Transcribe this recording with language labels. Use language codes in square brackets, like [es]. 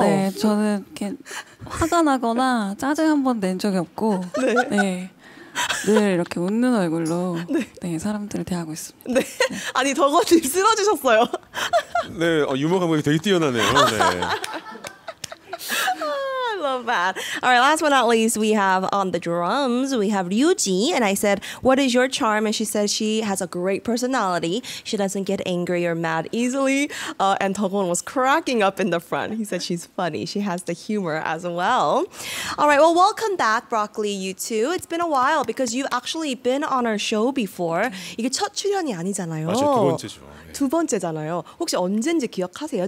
[ko] 네, 저는 이렇게 화가 나거나 짜증 한번 낸 적이 없고, 네. 네. 늘 이렇게 웃는 얼굴로 네. 네, 사람들을 대하고 있습니다. 네. 아니, 덕원님 쓰러지셨어요. 네, 유머 감각이 되게 뛰어나네요. 네. [en] I love bad. All right, last but not least, we have on the drums, we have Ryuji. And I said, what is your charm? And she said she has a great personality. She doesn't get angry or mad easily. And Dogwon was cracking up in the front. He said she's funny. She has the humor as well. All right, well, welcome back, Broccoli, you two. It's been a while because you've actually been on our show before. [ko] 이게 첫 출연이 아니잖아요. 맞아요, 두 번째죠. 두 번째잖아요. 혹시 언제인지 기억하세요?